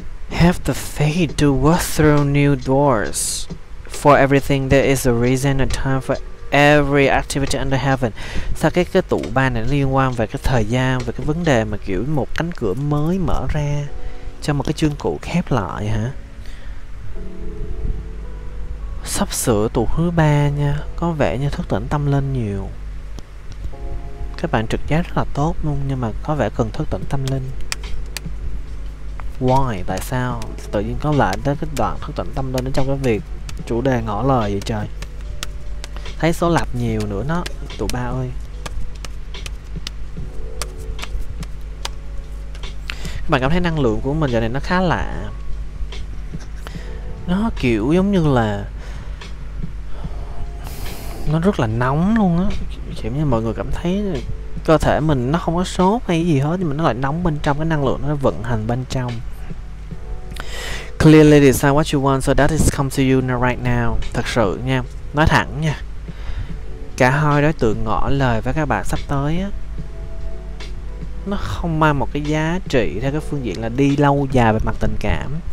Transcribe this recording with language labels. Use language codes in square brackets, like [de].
[en] Have the faith to walk through new doors. For everything there is a reason and time for every activity under heaven. [vi] Sao cái tụ ba này nó liên quan về cái thời gian, về cái vấn đề mà kiểu một cánh cửa mới mở ra cho một cái chương cũ khép lại hả? Sắp sửa tụ thứ ba nha, có vẻ như thức tỉnh tâm linh nhiều. Các bạn trực giác rất là tốt luôn, nhưng mà có vẻ cần thức tỉnh tâm linh. Why? Tại sao? Tự nhiên có lại tới cái đoạn thức tỉnh tâm linh trong cái việc chủ đề ngỏ lời vậy trời. Thấy số lập nhiều nữa nó, tụ ba ơi. Các bạn cảm thấy năng lượng của mình giờ này nó khá lạ. Nó kiểu giống như là nó rất là nóng luôn á. Kiểu như mọi người cảm thấy cơ thể mình nó không có sốt hay gì hết, nhưng mà nó lại nóng bên trong, cái năng lượng nó vận hành bên trong. [en] Clearly decide what you want so that it comes to you now, right now. [vi] Thật sự nha, nói thẳng nha, cả hai đối tượng ngỏ lời với các bạn sắp tới á, nó không mang một cái giá trị theo cái phương diện là đi lâu dài về mặt tình cảm.